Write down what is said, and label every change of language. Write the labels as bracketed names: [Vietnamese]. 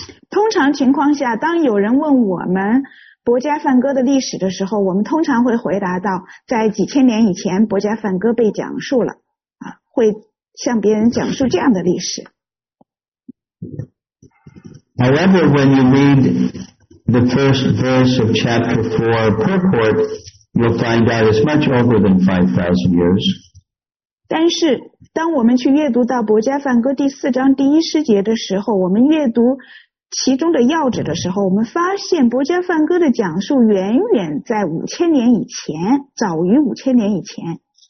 [Chinese] 通常情况下，当有人问我们《博伽梵歌》的历史的时候，我们通常会回答到，在几千年以前，《博伽梵歌》被讲述了，啊，会向别人讲述这样的历史。 [English] However, when you read the first verse of chapter 4 purport, you'll find out it's much older than 5,000 years. [Chinese] 但是当我们去阅读到《博伽梵歌》第四章第一诗节的时候，我们阅读其中的要旨的时候，我们发现《博伽梵歌》的讲述远远在五千年以前，早于五千年以前。